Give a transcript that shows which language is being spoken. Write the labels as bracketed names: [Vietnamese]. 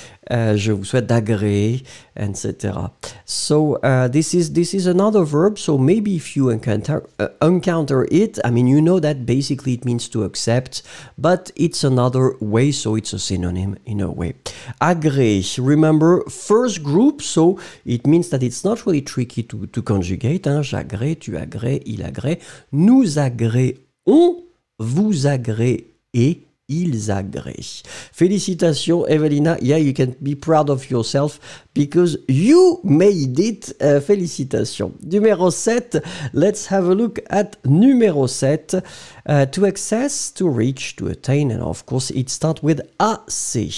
[French] Je vous souhaite d'agréer, etc. [English] So this is another verb. So maybe if you encounter it, I mean, you know that basically it means to accept, but it's another way. So it's a synonym in a way. Agréer. Remember first group. So it means that it's not really tricky to conjugate. Hein? [French] J'agrée, tu agrées, il agrée, nous agréons, vous agréez. Ils agréent. Félicitations, Evelina. [English] Yeah, you can be proud of yourself because you made it. [French] Félicitations. Numéro 7. [English] Let's have a look at numéro 7. To access, to reach, to attain. And of course, it starts with AC.